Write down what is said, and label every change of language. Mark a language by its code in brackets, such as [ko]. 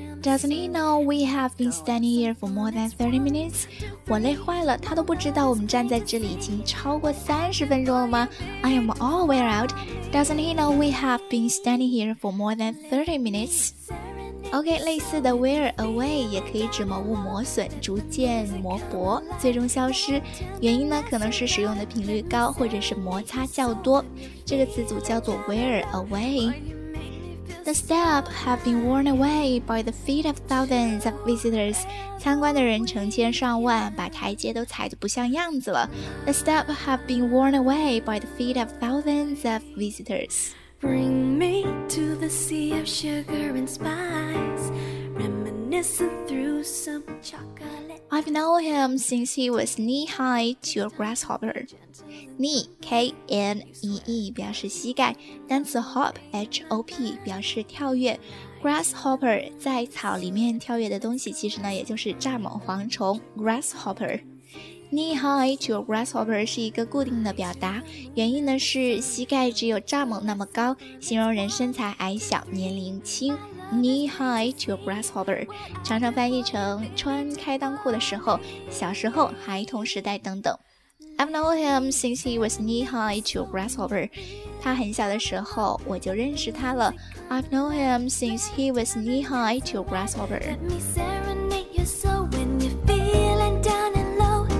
[en] Doesn't he know we have been standing here for more than 30 minutes? [zh] 我累坏了，他都不知道我们站在这里已经超过30分钟了吗？ [en] I am all wear out. Doesn't he know we have been standing here for more than 30 minutes? [zh] OK, 类似的 wear away 也可以指某物磨损，逐渐磨薄，最终消失。原因呢，可能是使用的频率高，或者是摩擦较多。这个词组叫做 wear away. [en] The steps have been worn away by the feet of thousands of visitors. [zh] 参观的人成千上万，把台阶都踩得不像样子了。 [en] The steps have been worn away by the feet of thousands of visitors. Bring me to the sea of sugar and spice, reminiscing through some chocolate. I've known him since he was knee-high to a grasshopper. [zh] Knee, K-N-E-E, 表示膝盖，单词 hop, H-O-P, 表示跳跃。 Grasshopper, 在草里面跳跃的东西，其实呢，也就是蚱蜢、蝗虫 ,grasshopper。 [en] Knee high to a grasshopper [zh] 是一个固定的表达，原因呢是膝盖只有蚱蜢那么高，形容人身材矮小，年龄轻。 [en] Knee high to a grasshopper [zh] 常常翻译成穿开裆裤的时候，小时候，孩童时代等等。 [en] I've known him since he was knee-high to a grasshopper. [zh] 他很小的时候我就认识他了。 [en] I've known him since he was knee-high to a grasshopper. Let me serenade you so when you're feeling down and low.